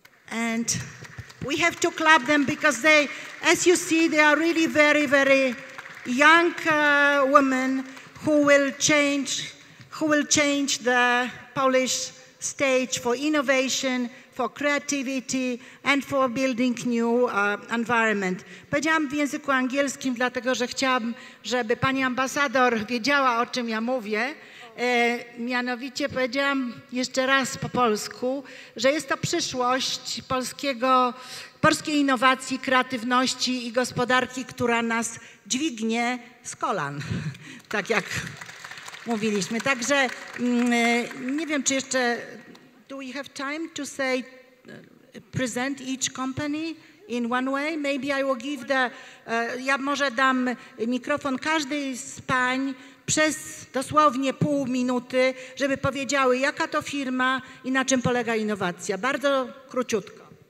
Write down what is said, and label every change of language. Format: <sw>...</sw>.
<en>And we have to clap them because they, as you see, they are really very, very young women who will change the Polish stage for innovation, for creativity and for building new environment.</en> <pl>Powiedziałam w języku angielskim, dlatego że chciałam, żeby pani ambasador wiedziała, o czym ja mówię. Mianowicie powiedziałam jeszcze raz po polsku, że jest to przyszłość polskiej innowacji, kreatywności i gospodarki, która nas dźwignie z kolan, tak jak mówiliśmy. Także nie wiem, czy jeszcze...</pl> <en>Do we have time to say, present each company in one way? Maybe I will give the...</en> <pl>ja może dam mikrofon każdej z pań przez dosłownie pół minuty, żeby powiedziały, jaka to firma i na czym polega innowacja. Bardzo króciutko.</pl>